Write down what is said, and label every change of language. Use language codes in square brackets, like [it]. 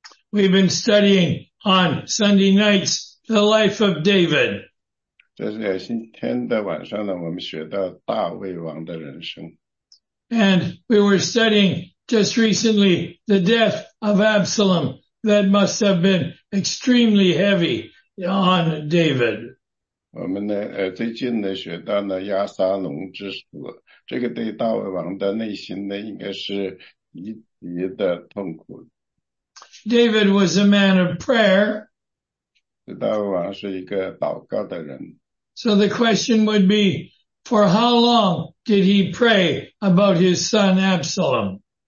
[en] We've been studying on Sunday nights the life of David. [zh] 这是今天的晚上呢，我们学到大卫王的人生。 [en] And we were studying just recently the death of Absalom that must have been extremely heavy on David. [zh] 我们呢，最近呢，学到呢亚撒龙之死，这个对大卫王的内心呢，应该是极其的痛苦。 [en] David was a man of prayer. [zh] 大卫王是一个祷告的人。 [en] So the question would be, for how long did he pray about his son Absalom?